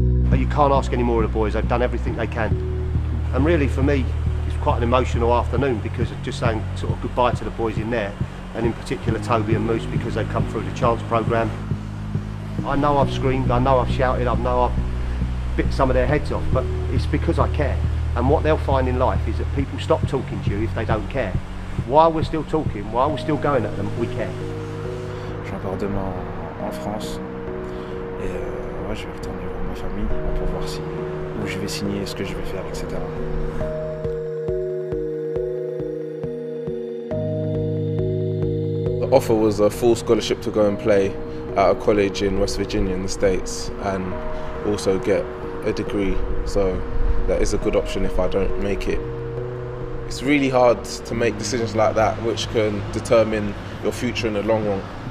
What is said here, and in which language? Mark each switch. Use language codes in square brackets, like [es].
[en] But you can't ask any more of the boys. They've done everything they can. And really, for me, it's quite an emotional afternoon because of just saying sort of goodbye to the boys in there, and in particular Toby and Moose, because they've come through the chance programme. I know I've screamed, I know I've shouted, I know I've bit some of their heads off, but it's because I care. And what they'll find in life is that people stop talking to you if they don't care. While we're still talking, while we're still going at them, we care. [fr] Je pars demain en France et ouais, je vais retourner voir ma famille pour voir si où je vais signer, ce que je vais faire, etc. [en] The offer was a full scholarship to go and play at a college in West Virginia in the States and also get a degree, so that is a good option if I don't make it. It's really hard to make decisions like that which can determine your future in the long run.